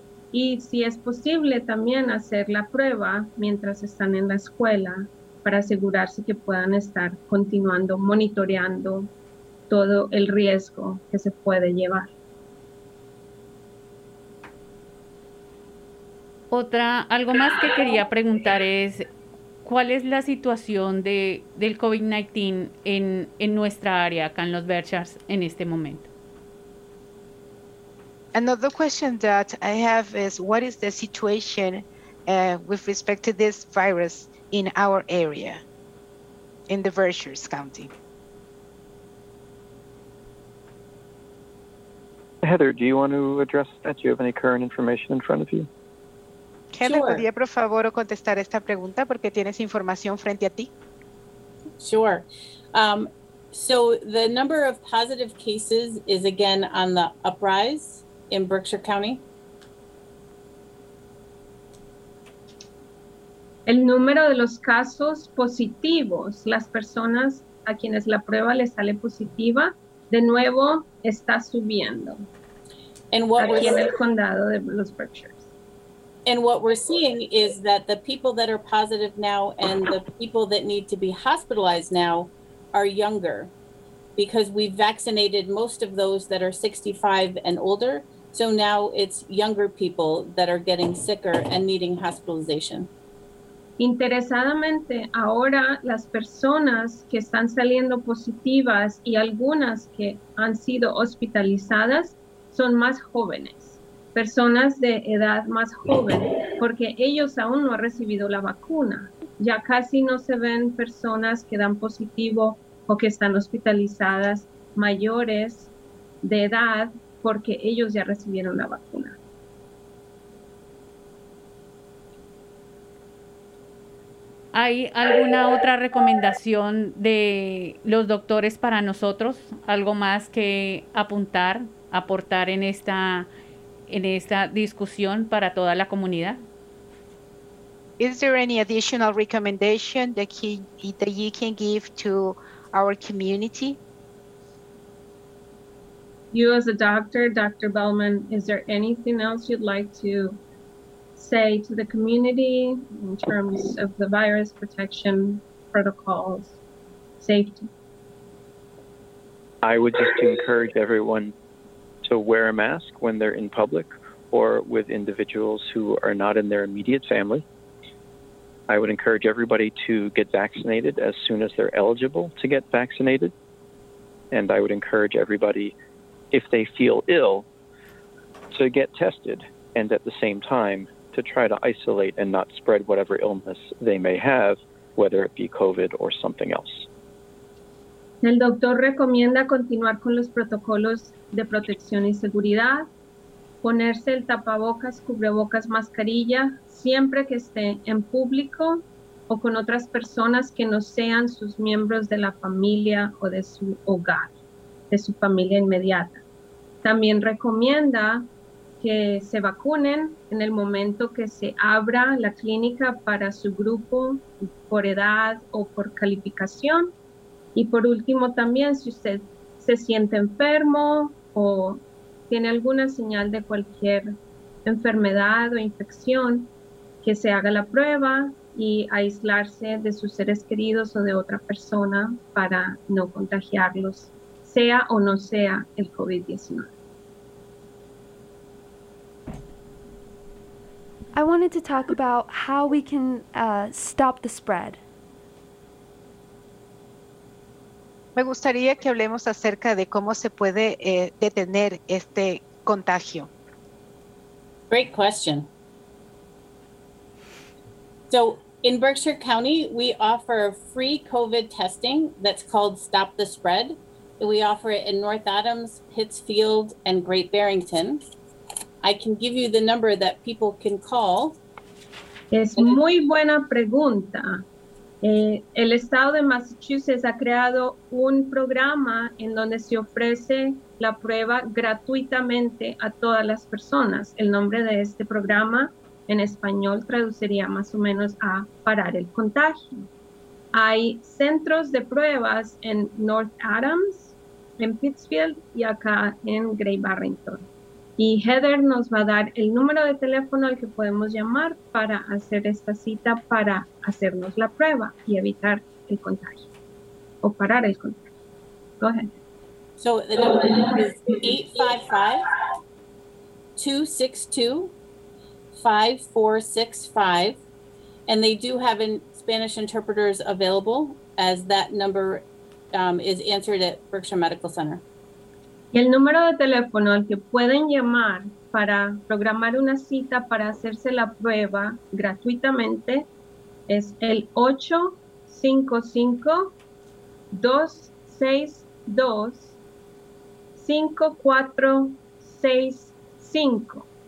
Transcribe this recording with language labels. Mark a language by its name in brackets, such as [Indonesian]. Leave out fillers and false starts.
[Spanish] Y si es posible, también hacer la prueba mientras están en la escuela para asegurarse que puedan estar continuando monitoreando todo el riesgo que se puede llevar. Algo más que quería preguntar es, ¿cuál es la situación del COVID-19 en nuestra área acá en Los Berkshires en este momento? [English] Another question that I have is, what is the situation with respect to this virus in our area, in the Berkshires County? Heather, do you want to address that? Do you have any current information in front of you? [Spanish] Heather, [English] sure. [Spanish] ¿Podría, por favor, contestar esta pregunta porque tienes información frente a ti? [English] Sure. So the number of positive cases is again on the uprise in Berkshire County. [Spanish] El número de los casos positivos, las personas a quienes la prueba le sale positiva, de nuevo está subiendo. [English] And what [Spanish] aquí en el condado de los Berkshires. [English] And what we're seeing is that the people that are positive now and the people that need to be hospitalized now are younger, because we've vaccinated most of those that are 65 and older. So now it's younger people that are getting sicker and needing hospitalization. [Spanish] Interesadamente, ahora las personas que están saliendo positivas y algunas que han sido hospitalizadas son más jóvenes, personas de edad más joven, porque ellos aún no han recibido la vacuna. Ya casi no se ven personas que dan positivo o que están hospitalizadas mayores de edad porque ellos ya recibieron la vacuna. ¿Hay alguna otra recomendación de los doctores para nosotros? ¿Algo más que apuntar, aportar en esta discusión para toda la comunidad? [English] Is there any additional recommendation that you can give to our community? You as a doctor, Dr. Bellman, is there anything else you'd like to say to the community in terms of the virus protection protocols, safety? I would just encourage everyone to wear a mask when they're in public or with individuals who are not in their immediate family. I would encourage everybody to get vaccinated as soon as they're eligible to get vaccinated. And I would encourage everybody, if they feel ill, to get tested and at the same time to try to isolate and not spread whatever illness they may have, whether it be COVID or something else. [Spanish] El doctor recomienda continuar con los protocolos de protección y seguridad, ponerse el tapabocas, cubrebocas, mascarilla, siempre que esté en público o con otras personas que no sean sus miembros de la familia o de su hogar, de su familia inmediata. También recomienda que se vacunen en el momento que se abra la clínica para su grupo por edad o por calificación. Y por último también, si usted se siente enfermo o tiene alguna señal de cualquier enfermedad o infección, que se haga la prueba y aislarse de sus seres queridos o de otra persona para no contagiarlos, sea o no sea el COVID-19. [English] I wanted to talk about how we can stop the spread. [Spanish] Me gustaría que hablemos acerca de cómo se puede detener este contagio. [English] Great question. So in Berkshire County, we offer free COVID testing that's called Stop the Spread. We offer it in North Adams, Pittsfield, and Great Barrington. I can give you the number that people can call. [Spanish] Es muy buena pregunta. El estado de Massachusetts ha creado un programa en donde se ofrece la prueba gratuitamente a todas las personas. El nombre de este programa en español traduciría más o menos a parar el contagio. Hay centros de pruebas en North Adams, en Pittsfield y acá en Great Barrington. Y Heather nos va a dar el número de teléfono al que podemos llamar para hacer esta cita para hacernos la prueba y evitar el contagio o parar el contagio. [English] Go ahead. So the number is 855-262-5465. And they do have Spanish interpreters available, as that number is answered at Berkshire Medical Center. [Spanish] Y el número de teléfono al que pueden llamar para programar una cita para hacerse la prueba gratuitamente es el 855-262-5465.